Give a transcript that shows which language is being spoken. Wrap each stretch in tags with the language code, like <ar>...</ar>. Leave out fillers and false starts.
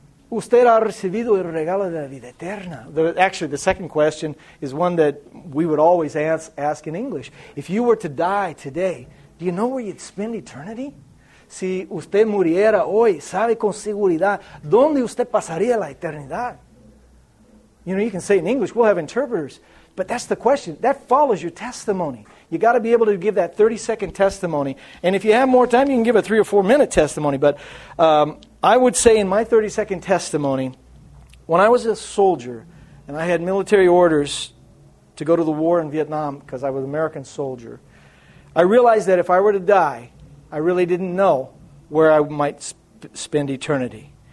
<es>Usted ha recibido el regalo de la vida eterna.</es> <en>The second question is one that we would always ask in English. If you were to die today, do you know where you'd spend eternity?</en> <es>si usted muriera hoy, sabe con seguridad dónde usted pasaría la eternidad?</es> <en>You know, you can say in English, we'll have interpreters. But that's the question. That follows your testimony. You got to be able to give that 30-second testimony. And if you have more time, you can give a 3 or 4 minute testimony. But I would say in my 30-second testimony, when I was a soldier and I had military orders to go to the war in Vietnam because I was an American soldier, I realized that if I were to die, I really didn't know where I might spend eternity.</en>